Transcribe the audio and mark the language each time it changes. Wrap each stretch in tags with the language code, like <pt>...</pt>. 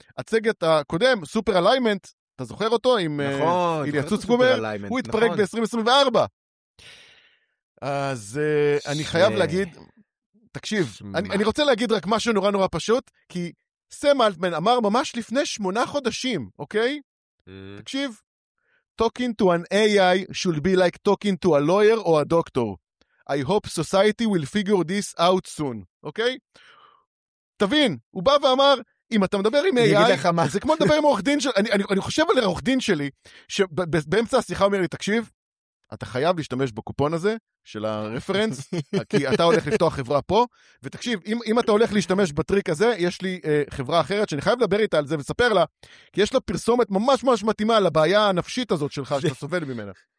<he>הצוות הקודם, Super Alignment, אתה זוכר אותו? עם, נכון. עם יצוץ קומר? הוא התפרק נכון. ב-2024. אז אני חייב להגיד, תקשיב, אני רוצה להגיד רק משהו נורא נורא פשוט, כי סם אלטמן אמר ממש לפני 8 חודשים, אוקיי?</he> <en>תקשיב, talking to an AI should be like talking to a lawyer or a doctor. I hope society will figure this out soon, אוקיי?</en> <he>תבין, הוא בא ואמר, אם אתה מדבר עם AI, זה כמו לדבר עם עורך דין שלי, אני חושב על עורך דין שלי, שבאמצע השיחה אומר לי, תקשיב, אתה חייב להשתמש בקופון הזה, של הרפרנס, כי אתה הולך לפתוח חברה פה, ותקשיב, אם אתה הולך להשתמש בטריק הזה, יש לי חברה אחרת, שאני חייב לדבר איתה על זה וספר לה, כי יש לה פרסומת ממש ממש מתאימה לבעיה הנפשית הזאת שלך, שאתה סובל ממנה.</he>